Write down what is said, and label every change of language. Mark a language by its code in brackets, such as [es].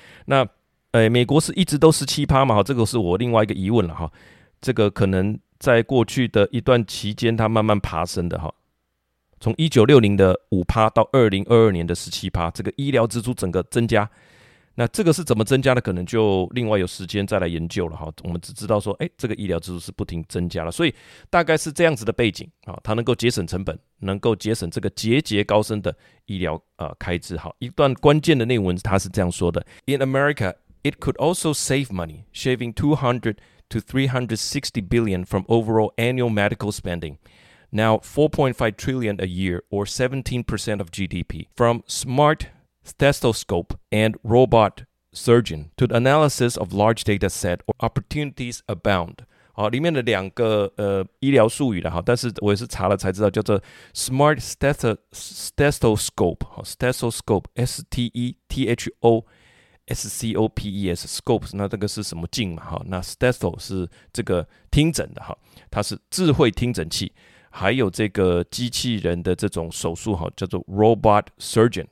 [zh] 那美国是一直都 17% 嘛，这个是我另外一个疑问了，这个可能在过去的一段期间它慢慢爬升的，从1960的 5% 到2022年的 17%， 这个医疗支出整个增加，那这个是怎么增加的，可能就另外有时间再来研究了。我们只知道说这个医疗支出是不停增加了，所以大概是这样子的背景，它能够节省成本，能够节省这个节节高升的医疗开支。一段关键的内文它是这样说的， [en] In America, it could also save money, shaving $200 to $360 billion from overall annual medical spending, now $4.5 trillion a year, or 17% of GDP. From smart stethoscope and robot surgeon to the analysis of large data set, opportunities abound. [zh] 好，里面的两个医疗术语的哈，但是我也是查了才知道，叫做 smart stethoscope， stethoscope， S T E T H O。 S-C-O-P-E-S Scopes， 那这个是什么镜嘛，那 Stetho 是这个听诊的，它是智慧听诊器，还有这个机器人的这种手术叫做 Robot Surgeon。